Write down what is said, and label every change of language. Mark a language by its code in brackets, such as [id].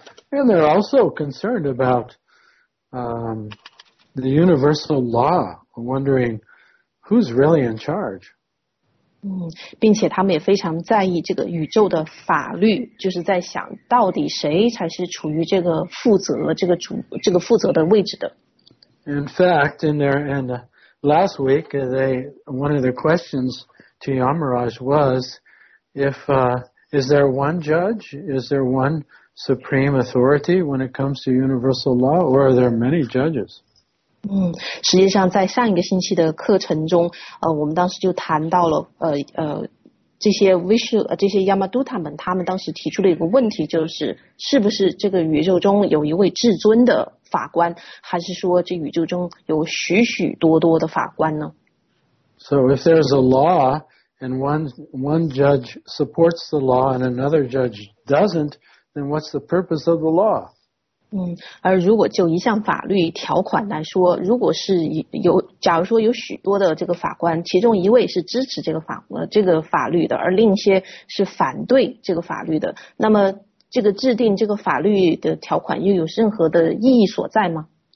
[en] And they're also concerned about the universal law, wondering who's really in charge. [zh] 嗯，并且他们也非常在意这个宇宙的法律，就是在想到底谁才是处于这个负责这个负责的位置的。 [en] In fact, last week, one of the questions to Yamaraj was, is there one judge? Is there one supreme authority when it comes to universal law, or are there many judges? [zh] 嗯，实际上在上一个星期的课程中，我们当时就谈到了这些 这些 Yamadutta 们，他们当时提出了一个问题，就是是不是这个宇宙中有一位至尊的法官，还是说这宇宙中有许许多多的法官呢？ [en] So if there's a law and one judge supports the law and another judge doesn't, then what's the purpose of the law? [zh] 嗯，而如果就一项法律条款来说，如果是有，假如说有许多的这个法官，其中一位是支持这个法律的，而另一些是反对这个法律的，那么这个制定这个法律的条款又有任何的意义所在吗？